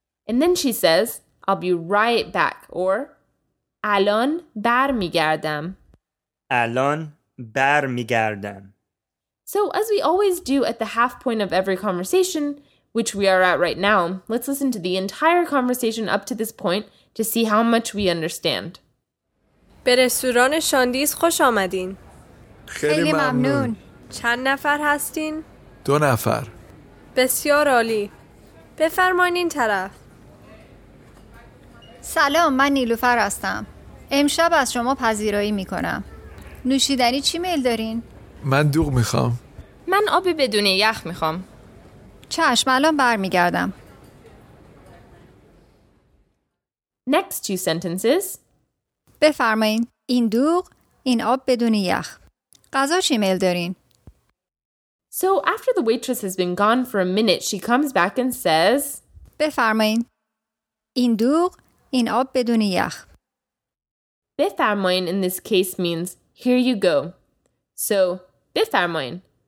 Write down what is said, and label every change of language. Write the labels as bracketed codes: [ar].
[en] And then she says, I'll be right back, or [fa] الان بر میگردم. الان بر میگردم. [en] So as we always do at the half point of every conversation, which we are at right now, let's listen to the entire conversation up to this point to see how much we understand. [fa] به رستوران شاندیز خوش آمدین. خیلی ممنون. چند نفر هستین؟ دو نفر. بسیار عالی. بفرمایین این طرف. سلام، من نیلوفر هستم. امشب از شما پذیرایی میکنم. نوشیدنی چی میل دارین؟ من دوغ میخوام. من آب بدون یخ میخوام. چشم، الان برمیگردم. [en] Next two sentences. [fa] بفرمایین این دوغ، این آب بدون یخ. غذا چی میل دارین؟ [en] So after the waitress has been gone for a minute, she comes back and says, [fa] بفرمایین. این دوغ، این آب بدون یخ. [en] بفرمایین in this case means, here you go. So, بفرمایین.